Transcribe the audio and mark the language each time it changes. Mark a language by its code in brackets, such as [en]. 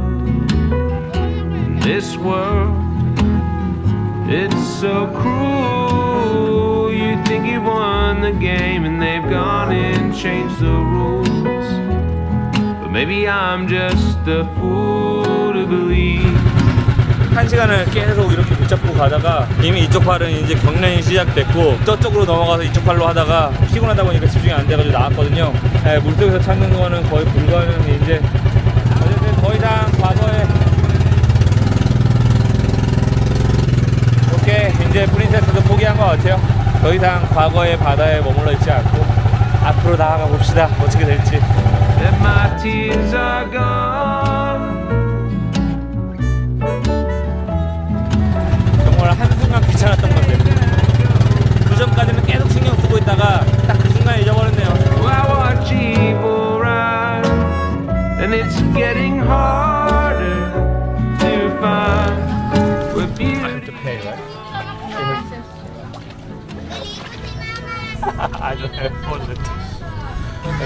[en] In this world, it's so cruel. You think you've won the game and they've gone and changed the rules. But maybe I'm just a fool to believe. [ko] 한 시간을 계속 이렇게 붙잡고 가다가 이미 이쪽 팔은 이제 경련이 시작됐고 저쪽으로 넘어가서 이쪽 팔로 하다가 피곤하다 보니까 집중이 안 돼가지고 나왔거든요. 네, 물속에서 찾는 거는 거의 불가능해. 이제 어쨌든 더 이상 과거에 오케이. 이제 프린세스도 포기한 것 같아요. 더 이상 과거의 바다에 머물러 있지 않고 앞으로 나아가 봅시다. 어떻게 될지. [en] Then my tears are gone. [ko] 찾았던 건데 그 전까지는 계속 신경 쓰고 있다가 딱 그 순간 잊어버렸네요. [en] I watch evil rise, and it's getting harder to find with beauty. I have to pay, right? I don't have to pay. I don't have to pay.